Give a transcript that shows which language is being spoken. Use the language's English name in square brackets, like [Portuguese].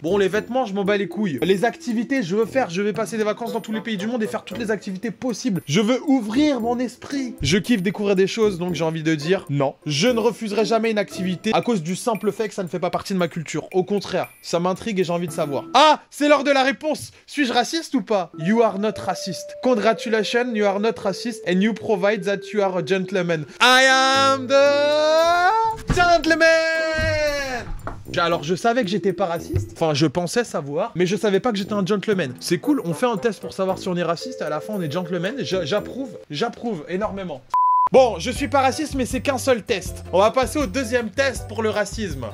[French] Bon, les vêtements, je m'en bats les couilles. Les activités, je veux faire. Je vais passer des vacances dans tous les pays du monde et faire toutes les activités possibles. Je veux ouvrir mon esprit. Je kiffe découvrir des choses, donc j'ai envie de dire non. Je ne refuserai jamais une activité à cause du simple fait que ça ne fait pas partie de ma culture. Au contraire, ça m'intrigue et j'ai envie de savoir. Ah, c'est l'heure de la réponse. Suis-je raciste ou pas? [English] You are not racist. Congratulations, you are not racist and you provide that you are a gentleman. I am the gentleman. [French] Alors, je savais que j'étais pas raciste. Enfin, je pensais savoir, mais je savais pas que j'étais un gentleman. C'est cool, on fait un test pour savoir si on est raciste et à la fin on est gentleman. J'approuve énormément. Bon, je suis pas raciste, mais c'est qu'un seul test. On va passer au deuxième test pour le racisme.